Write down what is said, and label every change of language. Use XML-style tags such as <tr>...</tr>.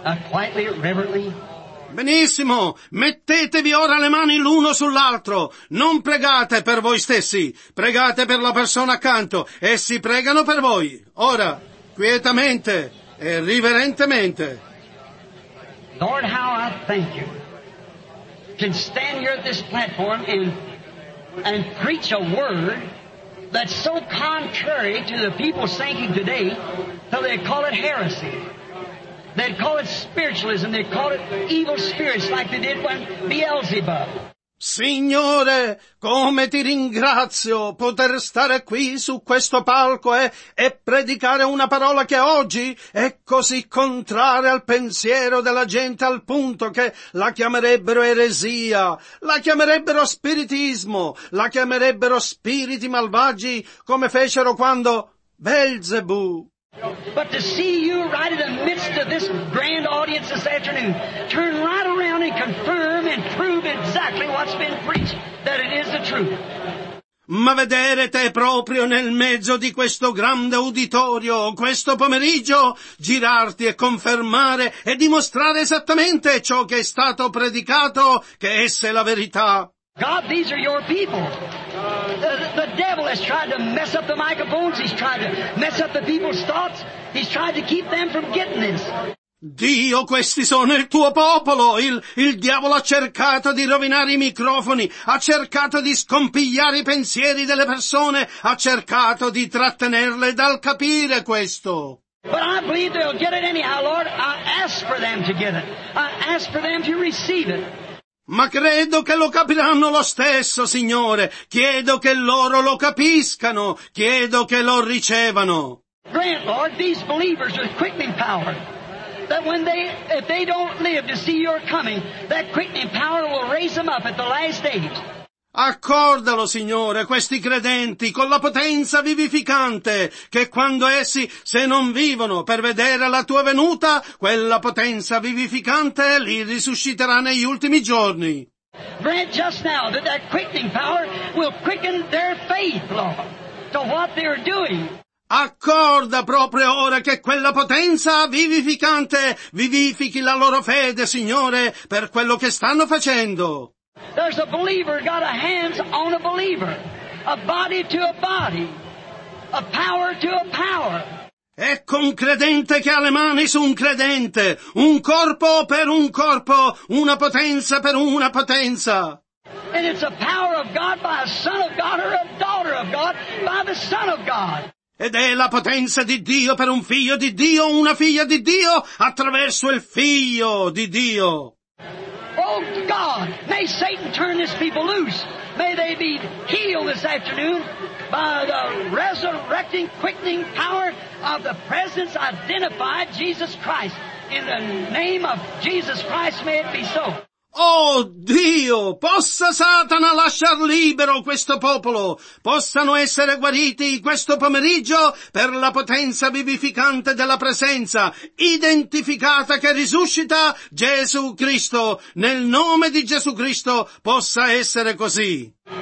<en>Quietly, reverently.</en> <it>Benissimo, mettetevi ora le mani l'uno sull'altro. Non pregate per voi stessi, pregate per la persona accanto. Essi pregano per voi. Ora, quietamente e riverentemente.</it> <en>Lord, how I thank you. Can stand here at this platform and preach a word that's so contrary to the people thinking today, till they call it heresy. They call it spiritualism, they call it evil spirits like they did when Beelzebub.</en> <it>Signore, come ti ringrazio poter stare qui su questo palco e predicare una parola che oggi è così contraria al pensiero della gente al punto che la chiamerebbero eresia, la chiamerebbero spiritismo, la chiamerebbero spiriti malvagi come fecero quando Beelzebù.</it> <en>But to see you right in the midst of this grand audience this afternoon, turn right around and confirm and prove exactly what's been preached, that it is the truth.</en> <it>Ma vedere te proprio nel mezzo di questo grande auditorio, questo pomeriggio, girarti e confermare e dimostrare esattamente ciò che è stato predicato, che esse la verità.</it> <en>God, these are your people. The devil has tried to mess up the microphones. He's tried to mess up the people's thoughts. He's tried to keep them from getting this.</en> <it>Dio, questi sono il tuo popolo. Il diavolo ha cercato di rovinare i microfoni, ha cercato di scompigliare i pensieri delle persone, ha cercato di trattenerle dal capire questo.</it> <en>But I believe they'll get it anyhow, Lord. I ask for them to get it. I ask for them to receive it.</en> <it>Ma credo che lo capiranno lo stesso, Signore. Chiedo che loro lo capiscano. Chiedo che lo ricevano.</it> <en>Grant, Lord, these believers with quickening power, that when they, if they don't live to see your coming, that quickening power will raise them up at the last days.</en> <it>Accordalo, Signore, questi credenti con la potenza vivificante, che quando essi, se non vivono per vedere la tua venuta, quella potenza vivificante li risusciterà negli ultimi giorni.</it> <en>Grant just now that that quickening power will quicken their faith, Lord, to what they are doing.</en> <it>Accorda proprio ora che quella potenza vivificante vivifichi la loro fede, Signore, per quello che stanno facendo.</it> <en>There's a believer got a hands on a believer, a body to a body, a power to a power.</en> <it>Ecco un credente che ha le mani su un credente, un corpo per un corpo, una potenza per una potenza.</it> <en>And it's a power of God by a son of God or a daughter of God by the son of God.</en> <it>Ed è la potenza di Dio per un figlio di Dio, una figlia di Dio, attraverso il figlio di Dio.</it> <en>Oh God, may Satan turn this people loose. May they be healed this afternoon by the resurrecting, quickening power of the presence identified Jesus Christ. In the name of Jesus Christ, may it be so.</en> <it>Oh Dio, possa Satana lasciar libero questo popolo. Possano essere guariti questo pomeriggio per la potenza vivificante della presenza identificata che risuscita Gesù Cristo. Nel nome di Gesù Cristo possa essere così.</it>